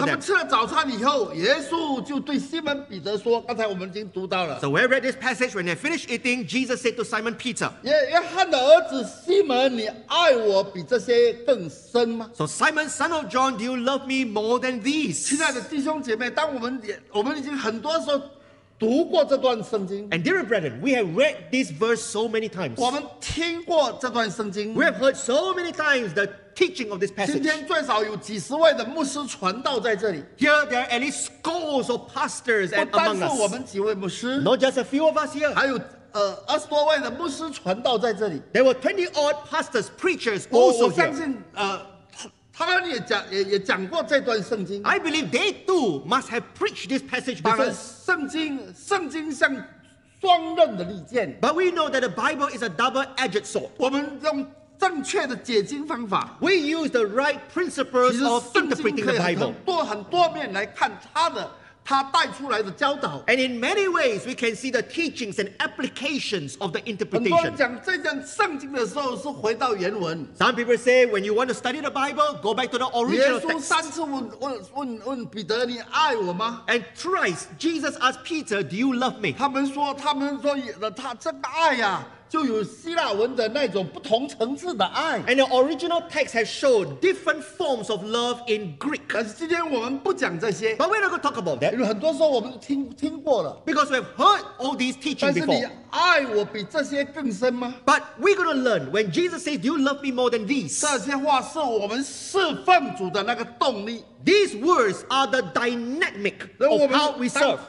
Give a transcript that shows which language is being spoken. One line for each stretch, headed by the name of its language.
Chinese: 他们吃了早餐以后，耶稣就对西门彼得说：“刚才我们已经读到了。
English: ”So we read this passage. When they finished eating, Jesus said to Simon Peter,
Chinese: 约翰的儿子西门，你爱我比这些更深吗
English: ？”So Simon, son of John, do you love me more than these?
Chinese: 亲爱的弟兄姐妹，当我们已经很多时候。读过这段圣经。
English: And dear brethren, we have read this verse so many times.
Chinese: 我们听过这段圣经。
English: We have heard so many times the teaching of this passage.
Chinese: 今天最少有几十位的牧师传道在这里。
English: Here there are at least scores of pastors among us.
Chinese: 不单我们几位牧师。
English: Not just a few of us here.
Chinese: 还有二十多位的牧师传道在这里。
English: There were 20 odd pastors, preachers also here.
Chinese: 我相信他们也讲过这段圣经。
English: I believe they too must have preached this passage before.
Chinese: 当然圣经像双刃的利剑。
English: But we know that the Bible is a double-edged sword.
Chinese: 我们用正确的解经方法。
English: We use the right principles of interpreting the Bible.
Chinese: 其实圣经可以很多面来看它带出来的教导。
English: And in many ways, we can see the teachings and applications of the interpretation.
Chinese: 很多人讲这段圣经的时候是回到原文。
English: Some people say, when you want to study the Bible, go back to the original text.
Chinese: 耶稣三次问彼得，你爱我吗？
English: And thrice, Jesus asked Peter, do you love me?
Chinese: 他们说，他这个爱呀。就有希腊文的那种不同层次的爱。
English: And the original text has shown different forms of love in Greek.
Chinese: 但是今天我们不讲这些。
English: But we're not going to talk about that.
Chinese: 因为很多时候我们听过了。
English: Because we've heard all these teachings before.
Chinese: 但是你爱我比这些更深吗？
English: But we're going to learn when Jesus says, do you love me more than these?
Chinese: 这些话是我们侍奉主的那个动力。
English: These words are the dynamic of how we serve.